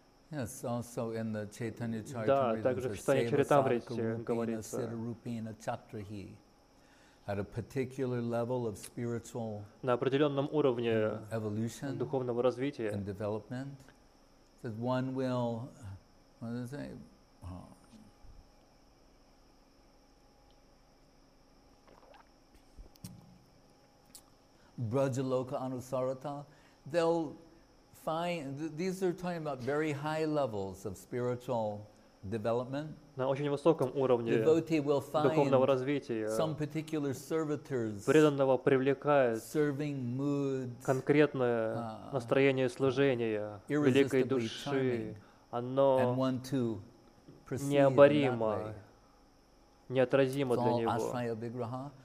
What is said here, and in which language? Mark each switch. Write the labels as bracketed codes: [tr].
[en] Yes, also in the Chaitanya Charitamrita, at a particular level of spiritual [ru] на определенном уровне [en] evolution [ru] духовного развития [en] and development, that one will, what does it say? Brajaloka anusarata, they'll fine. These are talking about very high levels of spiritual development. [ru] На очень высоком уровне духовного развития [en] some particular servitors [ru] преданного привлекает [en] serving mood, [ru] конкретное настроение служения великой души. Оно необоримо, неотразимо для него.